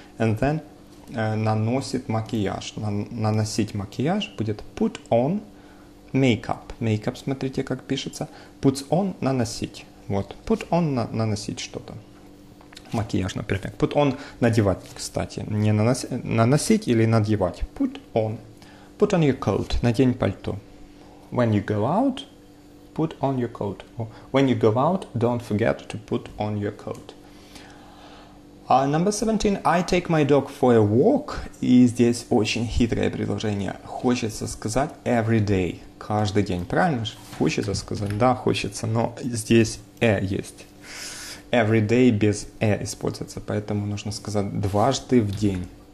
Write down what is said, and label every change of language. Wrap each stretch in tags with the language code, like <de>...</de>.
<en>And then</en> <ru>наносит макияж. Наносить макияж будет</ru> <en>put on makeup.</en> <ru>Makeup, смотрите, как пишется. Puts on – наносить. Вот, put on – наносить что-то. Макияж, например. Put on – надевать, кстати. Не наносить или надевать.</ru> <en>Put on. Put on your coat –</en> <ru>надень пальто.</ru> <en>When you go out – put on your coat. When you go out, don't forget to put on your coat. Number 17. I take my dog for a walk.</en> <ru>И здесь очень хитрое предложение. Хочется сказать</ru> <en>every day.</en> <ru>Каждый день. Правильно же? Хочется сказать. Да, хочется. Но здесь «э» есть. Every day без «э» используется. Поэтому нужно сказать дважды в день.</ru>